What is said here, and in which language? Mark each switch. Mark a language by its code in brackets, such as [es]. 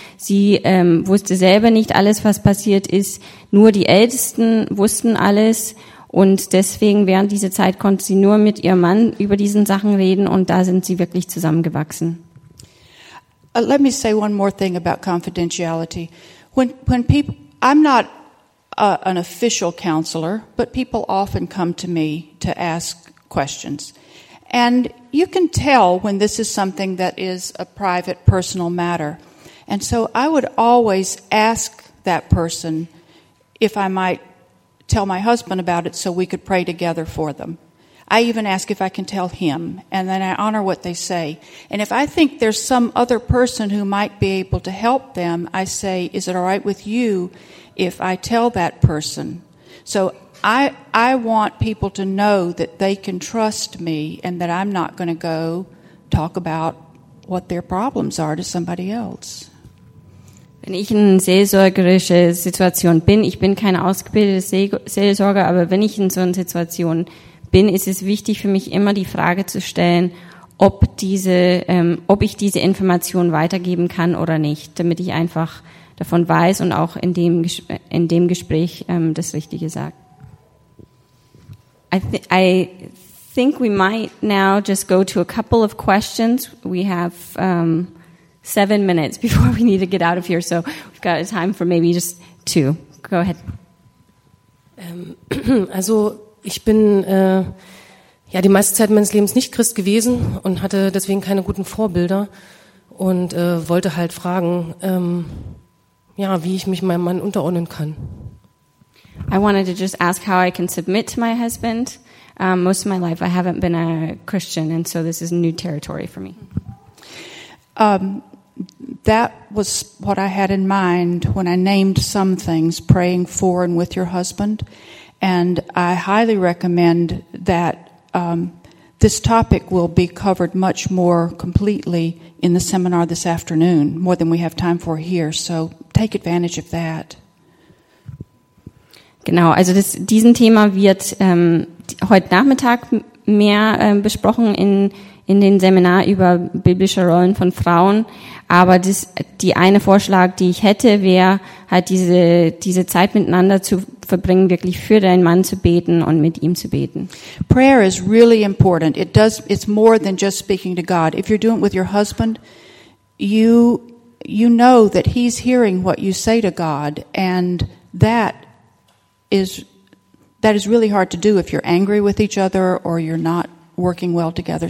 [de] Sie wusste selber nicht alles, was passiert ist. Nur die Ältesten wussten alles. Und deswegen während dieser Zeit konnte sie nur mit ihrem Mann über diesen Sachen reden. Und da sind sie wirklich zusammengewachsen. [en] Let me say one more thing about confidentiality. When people, I'm not an official counselor, but people often come to me to ask questions. And you can tell when this is something that is a private, personal matter. And so I would always ask that person if I might tell my husband about it so we could pray together for them. I even ask if I can tell him, and then I honor what they say. And if I think there's some other person who might be able to help them, I say, is it all right with you if I tell that person? So I want people to know that they can trust me and that I'm not going to go talk about what their problems are to somebody else. [de] Wenn ich in seelsorgerische Situation bin, ich bin keine ausgebildete Seelsorger, aber wenn ich in so einer Situation bin, ist es wichtig für mich immer die Frage zu stellen, ob diese, ob ich diese Information weitergeben kann oder nicht, damit ich einfach davon weiß und auch in dem Gespräch das Richtige sage. [en] I think we might now just go to a couple of questions. We have 7 minutes before we need to get out of here, so we've got a time for maybe just two. Go ahead. [de] Also ich bin ja die meiste Zeit meines Lebens nicht Christ gewesen und hatte deswegen keine guten Vorbilder und wollte halt fragen, ja, wie ich mich meinem Mann unterordnen kann. [en] I wanted to just ask how I can submit to my husband. Most of my life I haven't been a Christian and so this is new territory for me. That was what I had in mind when I named some things, praying for and with your husband. And I highly recommend that this topic will be covered much more completely in the seminar this afternoon, more than we have time for here. So take advantage of that. [de] Genau, also diesen Thema wird heute Nachmittag mehr besprochen in den Seminar über biblische Rollen von Frauen. Aber die eine Vorschlag, die ich hätte, wäre halt diese Zeit miteinander zu verbringen, wirklich für deinen Mann zu beten und mit ihm zu beten. [en] Prayer is really important. It's more than just speaking to God. If you're doing it with your husband, you know that he's hearing what you say to God, and that is really hard to do if you're angry with each other or you're not working well together.